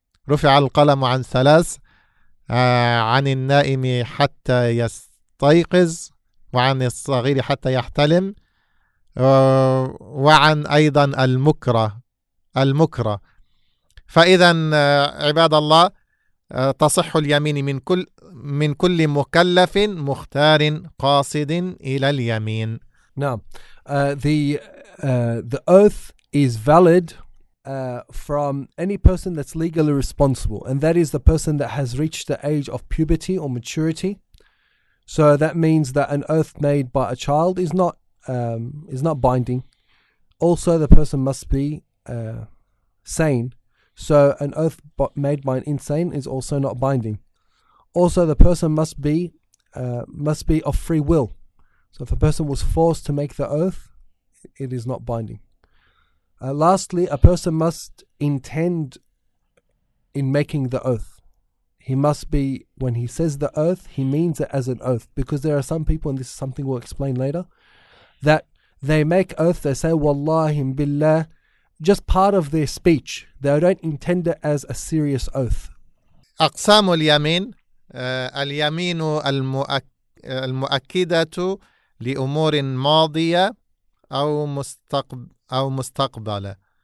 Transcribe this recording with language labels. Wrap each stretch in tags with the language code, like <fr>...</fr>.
<ar>رفع القلم عن ثلاث، عن النائم حتى يستيقظ، وعن الصغير حتى يحتلم، وعن أيضا المكره، المكره. فإذا عباد الله تصح اليمين من كل مكلف مختار قاصد إلى اليمين. نعم.</ar> <en>The oath is valid from any person that's legally responsible, and that is the person that has reached the age of puberty or maturity. So that means that an oath made by a child is not binding. Also, the person must be sane. So an oath made by an insane is also not binding. Also, the person must be of free will. So if a person was forced to make the oath, it is not binding. Lastly, a person must intend in making the oath. He must be, when he says the oath, he means it as an oath. Because there are some people, and this is something we'll explain later, that they make oath, they say, Wallahi, billah, just part of their speech. They don't intend it as a serious oath.</en> <ar>أقسام اليمين. اليمين المؤكدة لأمور ماضية أو مستقبلة.</ar>